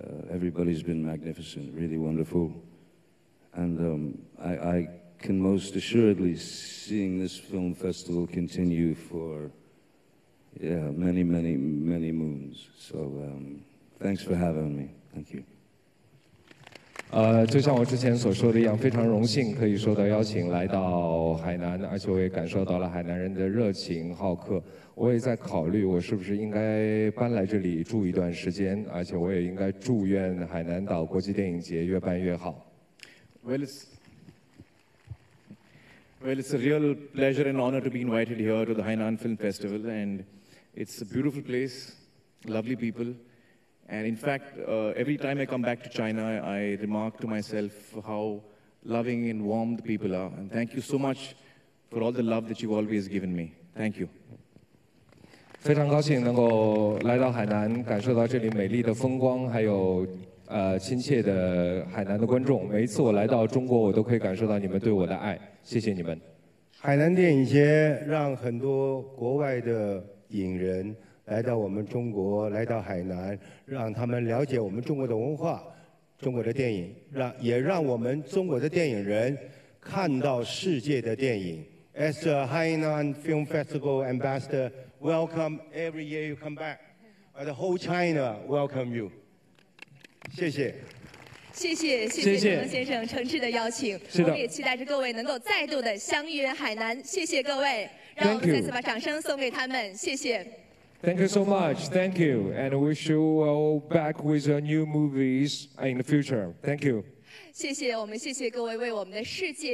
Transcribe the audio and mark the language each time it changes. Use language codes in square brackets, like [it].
[en] Everybody's been magnificent, really wonderful. And I can most assuredly seeing this film festival continue for, yeah, many, many, many moons. So thanks for having me. Thank you. [zh] 就像我之前所说的一样，非常荣幸可以受到邀请来到海南，而且我也感受到了海南人的热情好客。我也在考虑我是不是应该搬来这里住一段时间，而且我也应该祝愿海南岛国际电影节越办越好。 [en] Well, it's a real pleasure and honor to be invited here to the Hainan Film Festival, and it's a beautiful place, lovely people, and in fact, every time I come back to China, I remark to myself how loving and warm the people are, and thank you so much for all the love that you've always given me. Thank you. [zh] 非常高兴能够来到海南，感受到这里美丽的风光，还有亲切的海南的观众，每一次我来到中国，我都可以感受到你们对我的爱，谢谢你们。海南电影节让很多国外的影人来到我们中国，来到海南，让他们了解我们中国的文化、中国的电影，也让我们中国的电影人看到世界的电影。 [en] As a Hainan Film Festival Ambassador, welcome every year you come back. The whole China welcome you. [zh] 谢谢。谢谢，谢谢刘先生诚挚的邀请。是的。我们也期待着各位能够再度的相约海南。谢谢各位。让我们再次把掌声送给他们。谢谢。 [en] Thank you so much. Thank you. And wish you all back with your new movies in the future. Thank you. [zh] 谢谢，我们谢谢各位为我们的世界。